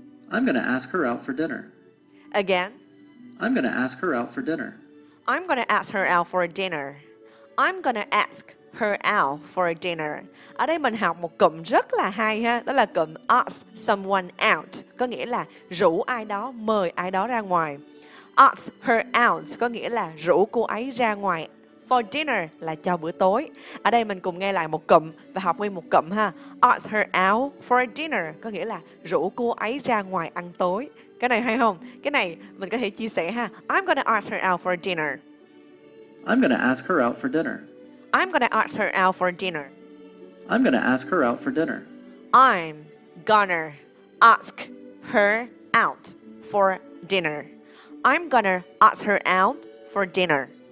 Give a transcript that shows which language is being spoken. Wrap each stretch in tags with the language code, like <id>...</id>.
<en>I'm gonna ask her out for dinner. Again. I'm gonna ask her out for dinner. I'm gonna ask her out for dinner. I'm gonna ask her out for dinner.</en> <vi>Ở đây mình học một cụm rất là hay ha, đó là cụm</vi> <en>ask someone out,</en> <vi>có nghĩa là rủ ai đó, mời ai đó ra ngoài.</vi> <en>Ask her out</en> <vi>có nghĩa là rủ cô ấy ra ngoài.</vi> <en>For dinner</en> <vi>là cho bữa tối. Ở đây mình cùng nghe lại một cụm và học nguyên một cụm ha.</vi> <en>Ask her out for dinner</en> <vi>có nghĩa là rủ cô ấy ra ngoài ăn tối. Cái này hay không? Cái này mình có thể chia sẻ ha.</vi> <en>I'm gonna ask her out for dinner. I'm gonna ask her out for dinner. I'm gonna ask her out for dinner. I'm gonna ask her out for dinner. I'm gonna ask her out for dinner. I'm gonna ask her out for dinner.</en>